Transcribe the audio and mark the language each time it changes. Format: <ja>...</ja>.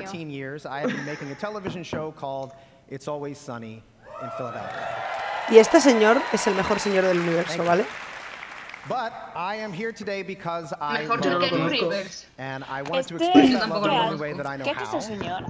<en>14 years I have been making a television show called It's Always Sunny in Philadelphia.</en> <es>Y este señor es el mejor señor del universo, ¿vale?</es> <en>But I am here today because I and I wanted to express my love in the only way that I know how.</en>